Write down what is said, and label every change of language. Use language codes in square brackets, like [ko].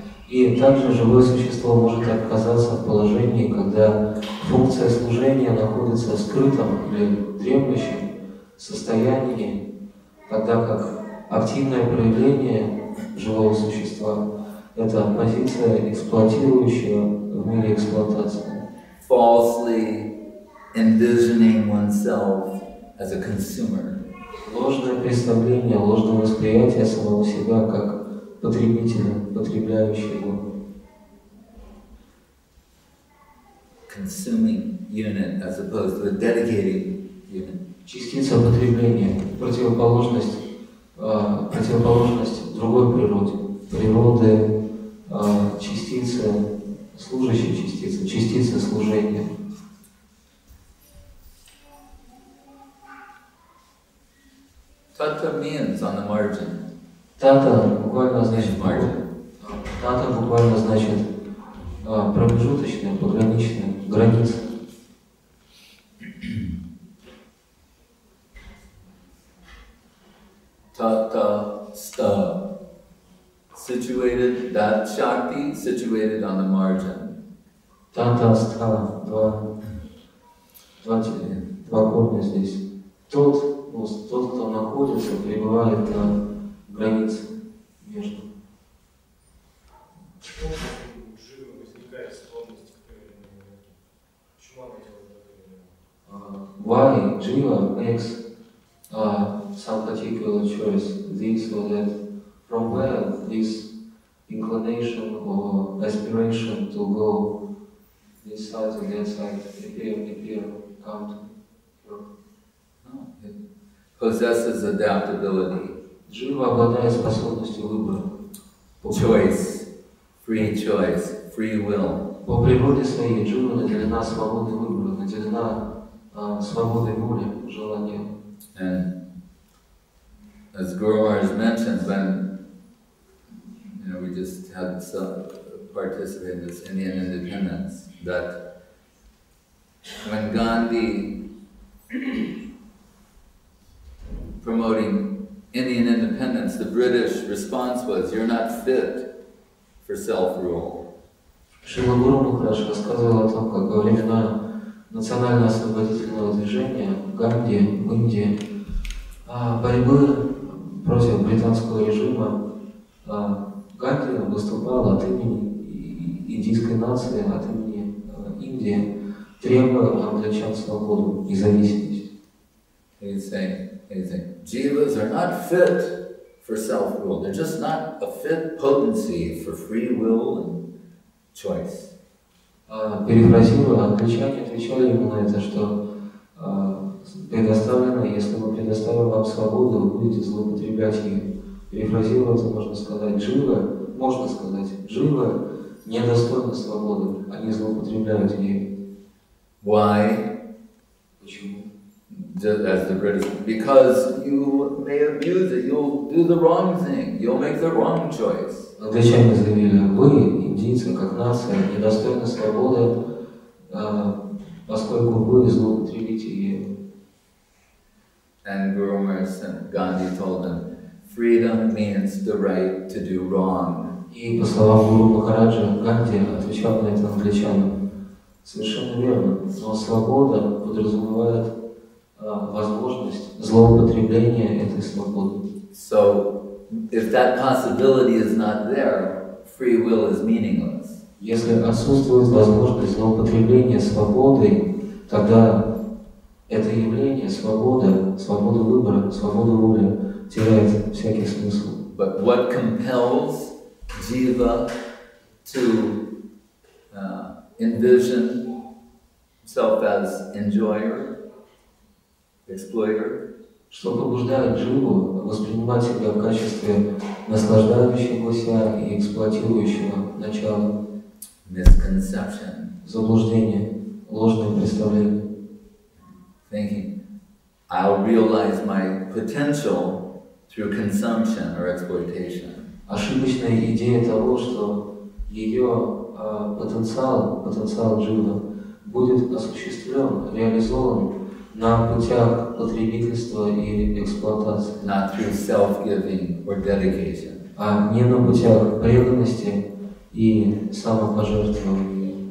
[ru] И также живое существо может оказаться в положении, когда функция служения находится в скрытом или дремлющем состоянии, тогда как активное проявление живого существа – это позиция эксплуатирующая в мире эксплуатации. [en] Falsely envisioning oneself as a consumer. [ru] Ложное представление, ложное восприятие самого себя как потребителя, потребляющего. [en] Consuming unit as opposed to a dedicated unit. [ru] Частица потребления, противоположность другой природе, природы частицы, служащей частицы, частицы служения. [en] Tata means on the margin. [ru] Tata буквально значит [en] margin. [ru] Tata буквально значит промежуточная, пограничная, граница. [sa] Tata sta. [en] Situated, that shakti situated on the margin. [ru] Tata sta. Два корня здесь. Тот, кто находится, пребывает на границе между. Почему у Джива возникает склонность к той или иной энергии? Почему она делает это именно? [en] Why Jiva makes some particular choice, this or that? From where this inclination or aspiration to go this side or that side appear, come to? Possesses adaptability. [ru] Jiva обладает способностью выбора. [en] Choice. Free choice. Free will. [ru] По природе своей Jiva наделена свободой выбора, наделена свободой воли, желанием. [en] And as Guru Maharaj mentioned, when we just had participated in this Indian independence, that when Gandhi promoting Indian independence, the British response was, "You're not fit for self-rule." [ru] Шрила Гуру Махарадж рассказывал о том, как во времена национально-освободительного движения в Ганди, в Индии, борьбы против британского режима, Ганди выступал от имени индийской нации, от имени Индии, требуя англичан свободу, независимость. [en] Anything. Jivas are not fit for self-rule. They're just not a fit potency for free will and choice. [ru] Перефразируя, англичане отвечали ему на это, что предоставленное, если мы предоставим вам свободу, вы будете злоупотреблять ее. перефразироваться можно сказать, джива, можно сказать, джива недостойна свободы, они злоупотребляют ею. [en] Why? [ru] Почему? [en] As the British, because you may abuse it, you'll do the wrong thing, you'll make the wrong choice. [ru] Англичане заявили, вы, индийцы, как нация, недостойны свободы, поскольку вы злоупотребите ею. [en] And Guru Maharaj said, Gandhi told them, freedom means the right to do wrong. [ru] И по словам Гуру Махараджа, Ганди отвечал на это англичанам. Совершенно верно. Но свобода подразумевает возможность злоупотребления этой свободы. [en] So, if that possibility is not there, free will is meaningless. [ru] Если отсутствует возможность злоупотребления свободой, тогда это явление, свобода, свобода выбора, свобода воли, теряет всякий смысл. [en] But what compels jiva to envision self as enjoyer, exploiter? [ru] Что побуждает дживу воспринимать себя в качестве наслаждающегося и эксплуатирующего начала? [en] Misconception. [ru] Заблуждение, ложное представление. [en] Thinking, I'll realize my potential through consumption or exploitation. [ru] Ошибочная идея того, что ее потенциал джива будет осуществлен, реализован на путях потребительства и эксплуатации. [en] Not through self-giving or dedication. [ru] А не на путях преданности и самопожертвования.